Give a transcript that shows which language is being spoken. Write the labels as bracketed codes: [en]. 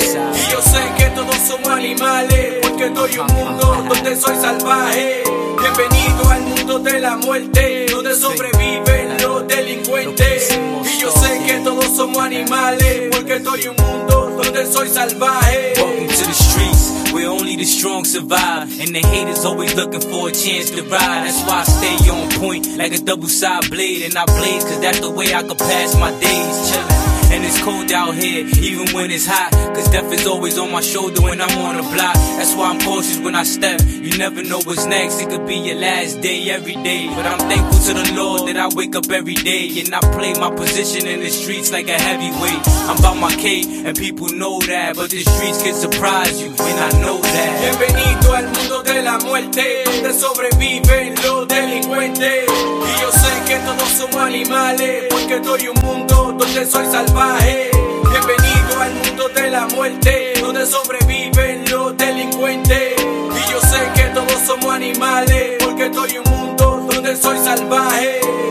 [es] Y yo sé que todos somos animales, porque estoy en un mundo donde soy salvaje. Bienvenido al mundo de la muerte, donde sobreviven los delincuentes. Y yo sé que todos somos animales, porque estoy en un mundo donde soy salvaje. [en] Where only the strong survive, and the haters always looking for a chance to ride. That's why I stay on point like a double-sided blade, and I blaze, cause that's the way I can pass my days chillin'. And it's cold out here, even when it's hot, cause death is always on my shoulder when I'm on the block. That's why I'm cautious when I step, you never know what's next. It could be your last day every day, but I'm thankful to the Lord that I wake up every day. And I play my position in the streets like a heavyweight. I'm about my cake and people know that, but the streets can surprise you, and I know that. [es] Bienvenido al mundo de la muerte, donde sobreviven los delincuentes. Y yo sé que todos somos animales, porque estoy en un mundo donde soy salvaje. Bienvenido al mundo de la muerte, donde sobreviven los delincuentes. Y yo sé que todos somos animales, porque estoy en un mundo donde soy salvaje.